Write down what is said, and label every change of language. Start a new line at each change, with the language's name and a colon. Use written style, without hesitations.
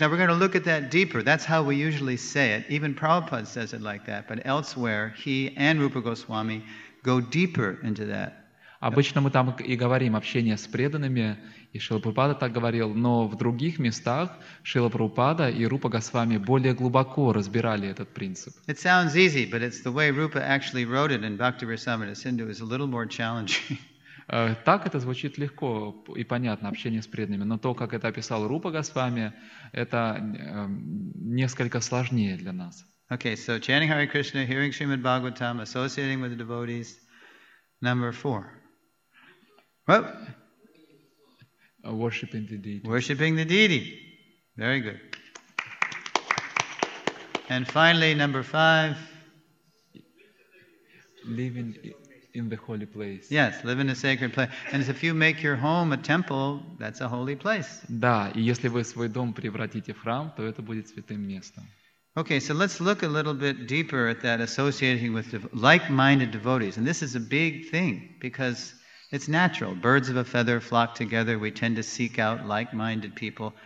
English: Now we're going to look at that deeper. That's how we usually say it. Even Prabhupada says it like that. But elsewhere, he and Rupa Goswami go deeper into that.
Russian: Обычно мы там и говорим общение с преданными, и Шрила Прабхупада так говорил. Но в других местах Шрила Прабхупада и Рупа Госвами более глубоко разбирали этот принцип.
English: It sounds easy, but it's the way Rupa actually wrote it in Bhaktivedanta Sindhu is a little more challenging.
Russian: Так это звучит легко и понятно, общение с преданными, но то, как это описал Рупа Госвами, это несколько сложнее для нас.
English: Okay, so chanting Hare Krishna, hearing Srimad Bhagavatam, associating with the devotees, number four. What? Worshipping the deity. Worshipping the deity. Very good. And finally, number five. Living in the holy place. Yes, live in a sacred place. And if you make your home a temple, that's a holy place.
Russian: Да, и если вы свой дом превратите в храм, то это будет святым местом.
English: Okay, so let's look a little bit deeper at that associating with like-minded devotees. And this is a big thing because it's natural. Birds of a feather flock together. We tend to seek out like-minded people.